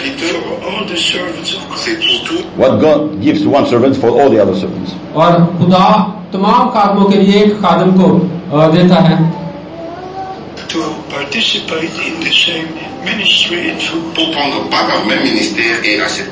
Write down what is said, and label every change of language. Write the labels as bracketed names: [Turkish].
[English] What God gives one servant for all the other servants. [Urdu] और खुदा तमाम खादमों के लिए एक खादम को देता है. [English] To participate in the same ministry and to [French] pour prendre part dans le même ministère et à cette